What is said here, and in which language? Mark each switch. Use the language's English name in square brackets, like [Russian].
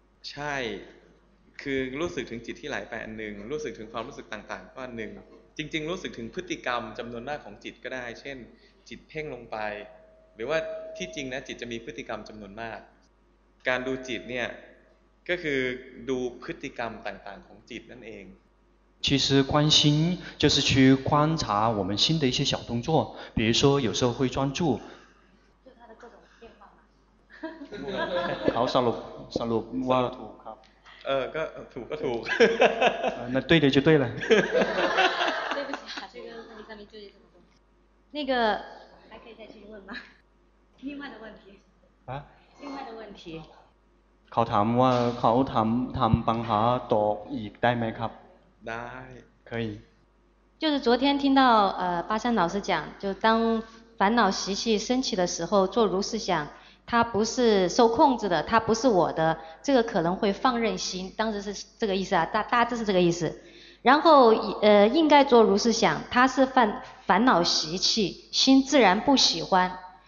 [Thai] ใช่คือรู้สึกถึงจิตที่ไหลไปอันนึงรู้สึกถึงความรู้สึกต่างๆก็อันนึงจริงๆรู้สึกถึงพฤติกรรมจำนวนมากของจิตก็ได้เช่นจิตเพ่งลงไปหรือว่าที่จริงนะจิตจะมีพฤติกรรมจำนวนมากการดูจิตเนี่ยก็คือดูพฤติกรรมต่างๆของจิตนั่นเอง [Chinese] 其实观心就是去观察我们心的一些小动作比如说有时候会专注 [Thai] เขาสรุปว่า ถูกครับก็ถูกก็ถูก นั่นถูกเลยจะถูกเลย [Chinese] 对不起啊这个问题上面纠结这么多那个还可以再去问吗另外的问题啊另外的问题 [Thai] เขาถามว่าเขาทำปัญหาตอกอีกได้ไหมครับ ได้ [Chinese] 可以就是昨天听到巴山老师讲就当烦恼习气升起的时候做如是想它不是受控制的，它不是我的，这个可能会放任心，当时是这个意思啊，大致是这个意思。然后应该做如是想，它是烦恼习气，心自然不喜欢。